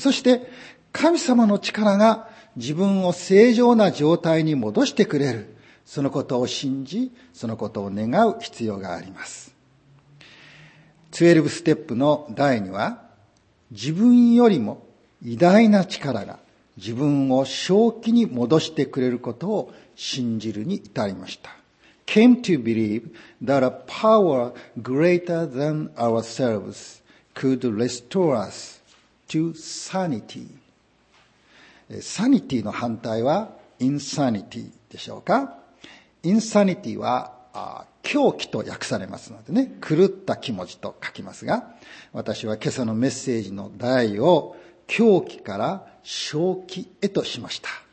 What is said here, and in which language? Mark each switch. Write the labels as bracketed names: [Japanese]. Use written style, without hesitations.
[Japanese] そして神様の力が自分を正常な状態に戻してくれる、そのことを信じ、そのことを願う必要があります。 12ステップの第2は、自分よりも偉大な力が自分を正気に戻してくれることを信じるに至りました。 [English] Came to believe that a power greater than ourselves could restore us to sanity。 [Japanese] Sanity の反対は Insanity でしょうか。 Insanity は狂気と訳されますのでね、狂った気持ちと書きますが、私は今朝のメッセージの題を狂気から正気へとしました。